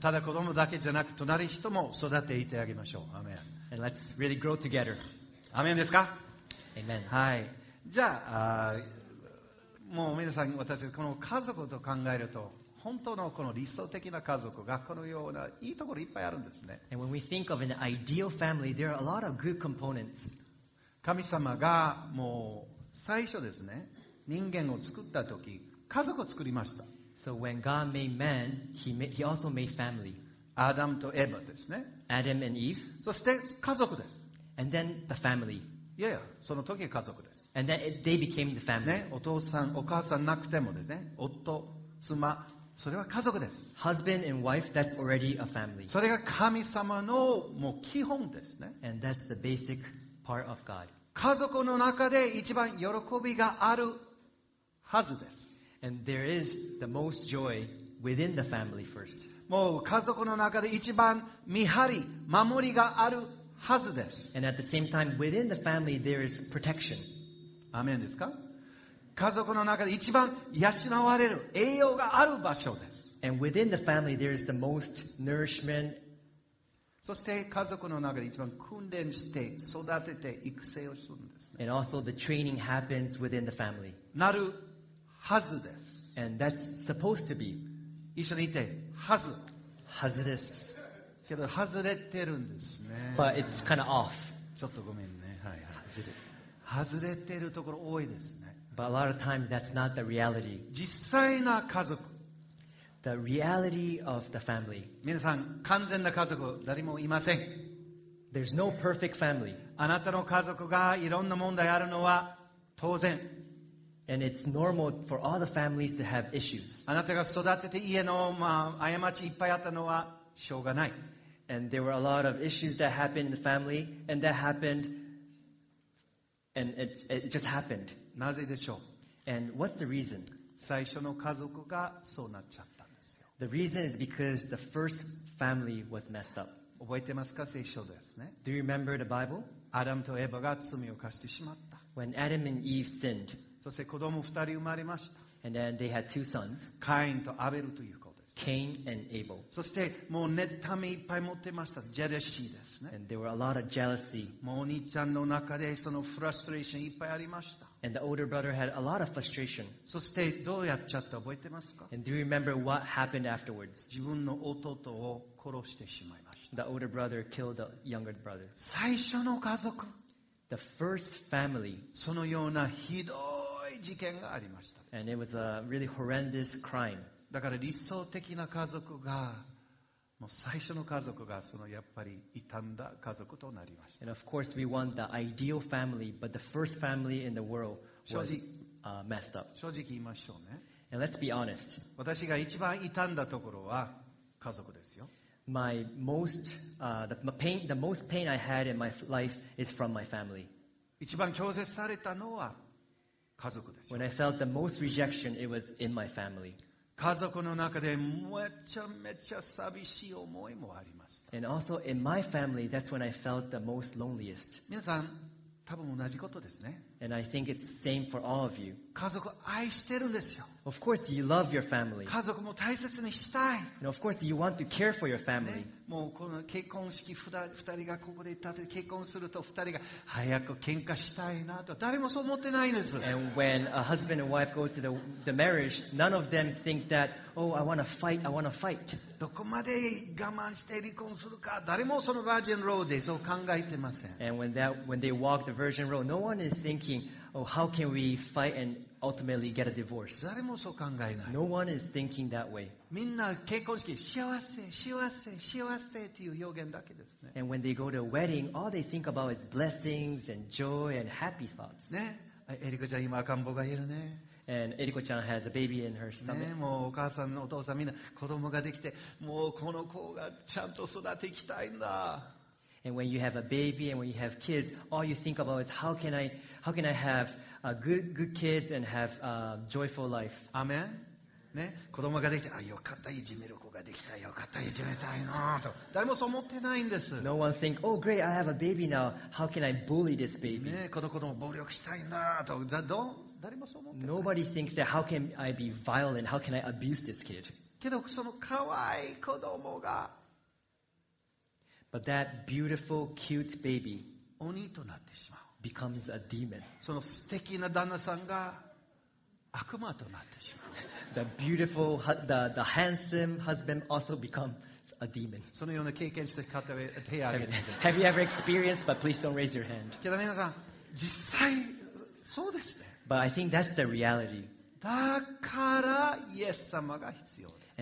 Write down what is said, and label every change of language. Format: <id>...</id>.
<ja>ただ子供だけじゃなく、隣人も育っていてあげましょう。アメン。</ja> <en>And let's really grow together.</en> <ja>アメンですか？</ja> <en>Amen.</en> <ja>はい、じゃあ、もう皆さん、私、この家族と考えると、本当のこの理想的な家族がこのようないいところいっぱいあるんですね。</ja> <en>And when we think of an ideal family, there are a lot of good components.</en> <ja>神様がもう最初ですね、人間を作った時、家族を作りました。</ja> <en>So when God made man, he also made family.</en> <ja>アダムとエヴァですね。</ja> <en>Adam and Eve.</en> <ja>そして家族です。</ja> <en>And then the family.</en> <ja>いやいや、その時は家族です。</ja> <en>And then they became the family.</en> <ja>ね、お父さん、お母さんなくてもですね、夫、妻、それは家族です。</ja> <en>Husband and wife, that's already a family.</en> <ja>それが神様のもう基本ですね。</ja> <en>And that's the basic part of God.</en> <ja>家族の中で一番喜びがあるはずです。</ja> <en>And there is the most joy within the family first.</en> <ja>もう家族の中で一番見張り、守りがあるはずです。</ja> <en>And at the same time, within the family, there is protection.</en> <ja>アメンですか？家族の中で一番養われる栄養がある場所です。</ja> <en>And within the family, there is the most nourishment.</en> <ja>そして家族の中で一番訓練して、育てて、育成をするんです、ね。</ja> <en>And also the training happens within the family.</en> <ja>なるはずです。</ja> <en>And that's supposed to be.</en> <ja>一緒にいて、はず。はずです。けど、外れてるんですね。</ja> <en>But it's kind of off.</en> <ja>ちょっとごめんね。はい、外れてるところ多いですね。</ja> <en>But a lot of times that's not the reality.</en> <ja>実際な家族。</ja> <en>The reality of the family.</en> <ja>皆さん、完全な家族、誰もいません。</ja> <en>There's no perfect family.</en> <ja>あなたの家族がいろんな問題あるのは当然。</ja> <en>And it's normal for all the families to have issues.</en> <ja>あなたが育てて家の、まあ、過ちいっぱいあったのはしょうがない。</ja> <en>And there were a lot of issues that happened in the family, and that happened, and it just happened.</en> <ja>なぜでしょう？</ja> <en>And what's the reason?</en> <ja>最初の家族がそうなっちゃったんですよ。</ja> <en>The reason is because the first family was messed up.</en> <ja>覚えてますか？聖書ですね。</ja> <en>Do you remember the Bible?</en> <ja>アダムとエヴァが罪を犯してしまった。</ja> <en>When Adam and Eve sinned,</en> <ja>そして子供二人生まれました。</ja> <en>And then they had two sons.</en> <ja>カインとアベルという子です。</ja> <en>Cain and Abel.</en> <ja>そしてもう妬みいっぱい持ってました。ジェラシーですね。</ja> <en>And there were a lot of jealousy.</en> <ja>もうお兄ちゃんの中でそのフラストレーションいっぱいありました。</ja> <en>And the older brother had a lot of frustration.</en> <ja>そしてどうやっちゃった覚えてますか？</ja> <en>And do you remember what happened afterwards?</en> <ja>自分の弟を殺してしまいました。</ja> <en>The older brother killed the younger brother.</en> <ja>最初の家族。</ja> <en>The first family.</en> <ja>そのようなひどい事件がありました。</ja> <en>And it was a really horrendous crime.</en> <ja>だから理想的な家族が、もう最初の家族がそのやっぱり傷んだ家族となりました。</ja> <en>And of course we want the ideal family, but the first family in the world was messed up.</en> <ja>正直言いましょうね。</ja> <en>And let's be honest.</en> <ja>私が一番傷んだところは家族ですよ。</ja> <en>My most, the most pain I had in my life is from my family.</en> <ja>一番拒絶されたのは家族です。</ja> <en>When I felt the most rejection, it was in my family.</en> <ja>家族の中でめちゃめちゃ寂しい思いもありました。</ja> <en>And also in my family, that's when I felt the most loneliest.</en> <ja>皆さん、多分同じことですね。</ja> <en>And I think it's the same for all of you.</en> <ja>家族愛してるんですよ。</ja> <en>Of course, you love your family.</en> <ja>家族も大切にしたい。</ja> <en>And of course, you want to care for your family.、</en> <ja>ね、もうこの結婚式2人がここで立てて結婚すると2人が早く喧嘩したいなと誰もそう思ってないんです。</ja> <en>And when a husband and wife go to the marriage, none of them think that, oh, I want to fight, I want to fight.</en> <ja>どこまで我慢して離婚するか、誰もそのバージンロードでそう考えてません。</ja> <en>And when they walk the virgin road, no one is thinking, oh, how can we fight andultimately get a divorce.</en> <ja>誰もそう考えない。</ja> <en>No one is thinking that way.</en> <ja>みんな結婚式幸せ、幸せ、幸せという表現だけですね。</ja> <en>And when they go to a wedding, all they think about is blessings and joy and happy thoughts.</en> <ja>ね、エリコちゃん今赤ん坊がいるね。</ja> <en>And エリコちゃん has a baby in her stomach.</en> <ja>ね、もうお母さん、お父さんみんな子供ができて、もうこの子がちゃんと育てていきたいんだ。</ja> <en>And when you have a baby and when you have kids, all you think about is how can I have a good kids and have a joyful life. Amen.</en> <ja>ね、子供ができて、あ、よかった、いじめる子ができた、よかった、いじめたいなと。誰もそう思ってないんです。</ja> <en>No one think, oh great, I have a baby now. How can I bully this baby?</en> <ja>ね、この子供暴力したいなと。誰もそう思ってない。</ja> <en>Nobody thinks that how can I be violent? How can I abuse this kid?</en> <ja>けどその可愛い子供が。</ja> <en>But that beautiful, cute baby</en> <ja>鬼となってしまう</ja> <en>becomes a demon.</en> <ja>その素敵な旦那さんが悪魔となってしまう。</ja> <en>The beautiful, the handsome husband also become a demon.</en> <ja>そのような経験した方は手を挙げてください。</ja> <en>Have you ever experienced? But please don't raise your hand.</en> <ja>けど皆さん、実際そうですね。</ja> <en>But I think that's the reality.</en> <ja>だからイエス様が必要です。</ja>